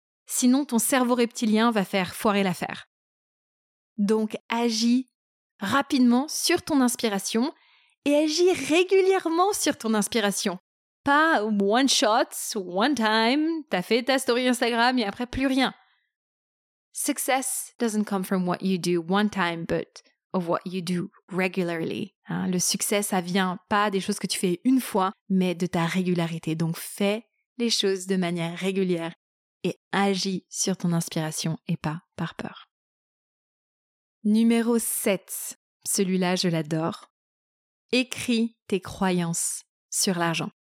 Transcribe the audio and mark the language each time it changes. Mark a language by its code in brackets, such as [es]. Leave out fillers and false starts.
[fr] Sinon, ton cerveau reptilien va faire foirer l'affaire. Donc, agis rapidement sur ton inspiration et agis régulièrement sur ton inspiration. Pas [en] one shot, one time, [fr] t'as fait ta story Instagram et après plus rien. [en] Success doesn't come from what you do one time, but of what you do regularly. [fr] Hein, le succès, ça vient pas des choses que tu fais une fois, mais de ta régularité. Donc fais les choses de manière régulière et agis sur ton inspiration et pas par peur. Numéro 7, celui-là je l'adore. Écris tes croyances sur l'argent.